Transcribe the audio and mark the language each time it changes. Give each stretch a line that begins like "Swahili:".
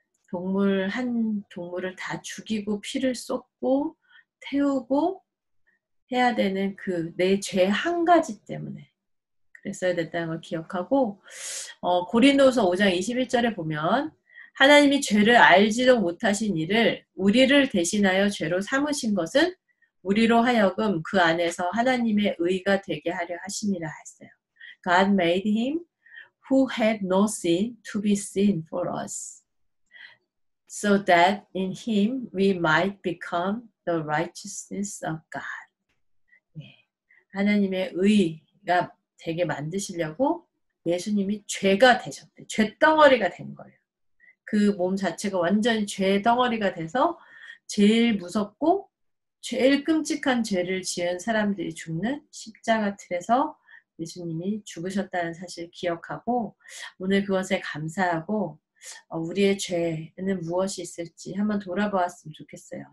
Korean: 동물 한 동물을 다 죽이고 피를 쏟고 태우고 해야 되는 그내죄한 가지 때문에 그랬어야 됐다는 걸 기억하고, 고린도서 5장 21절에 보면, 하나님이 죄를 알지도 못하신 이를 우리를 대신하여 죄로 삼으신 것은 우리로 하여금 그 안에서 하나님의 의가 되게 하려 하심이라 했어요.
English: God made him who had no sin to be sin for us, so that in him we might become the righteousness of God.
Korean: 하나님의 의가 되게 만드시려고 예수님이 죄가 되셨대. 죗덩어리가 된 거예요. 그몸 자체가 완전히 죄 덩어리가 돼서 제일 무섭고 제일 끔찍한 죄를 지은 사람들이 죽는 십자가 틀에서 예수님이 죽으셨다는 사실을 기억하고, 오늘 그것에 감사하고, 우리의 죄는 무엇이 있을지 한번 돌아보았으면 좋겠어요.